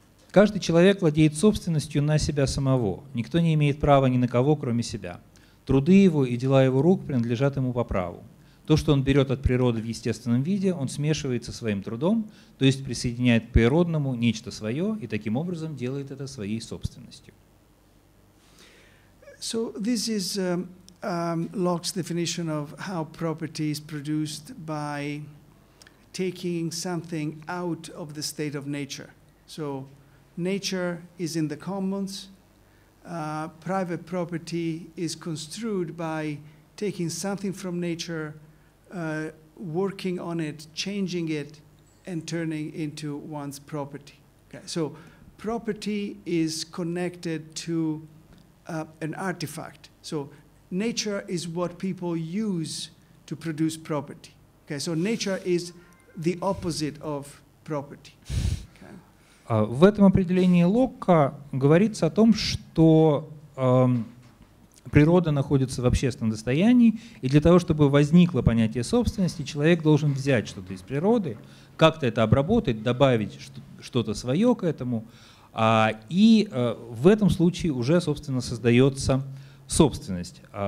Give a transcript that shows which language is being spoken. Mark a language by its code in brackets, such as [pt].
[ru] «Каждый человек владеет собственностью на себя самого. Никто не имеет права ни на кого, кроме себя. Труды его и дела его рук принадлежат ему по праву. То, что он берет от природы в естественном виде, он смешивает со своим трудом, то есть присоединяет к природному нечто свое и таким образом делает это своей собственностью. [en] So this is Locke's definition of how property is produced by taking something out of the state of nature. So nature is in the commons. Private property is construed by taking something from nature, working on it, changing it, and turning into one's property. Okay. So property is connected to an artifact. So nature is what people use to produce property. Okay. So nature is the opposite of property. [ru] В этом определении Локка говорится о том, что природа находится в общественном достоянии, и для того, чтобы возникло понятие собственности, человек должен взять что-то из природы, как-то это обработать, добавить что-то свое к этому, и в этом случае уже, собственно, создается собственность.